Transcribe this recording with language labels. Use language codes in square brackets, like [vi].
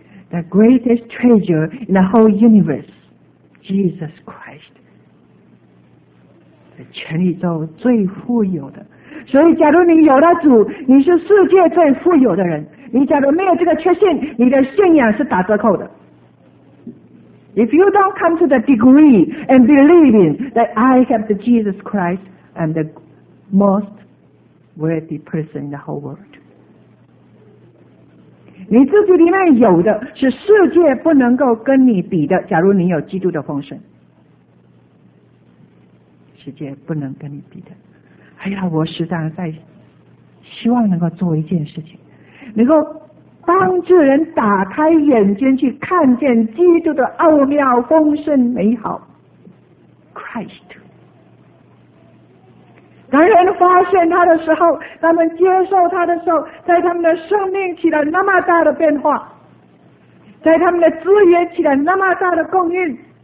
[en] The greatest treasure in the whole universe, Jesus Christ, [zh] 全宇宙最富有的。所以假如你有了主，你是世界最富有的人。你假如没有这个确信，你的信仰是打折扣的。 [en] If you don't come to the degree and believing that I have the Jesus Christ, I'm the most worthy person in the whole world. [zh] 你自己里面有的是世界不能够跟你比的，假如你有基督的丰盛。世界不能跟你比的。哎呀，我实在在希望能够做一件事情，能够帮助人打开眼睛去看见基督的奥妙丰盛美好 Christ， 当人发现他的时候，他们接受他的时候，在他们的生命起了那么大的变化，在他们的资源起了那么大的供应。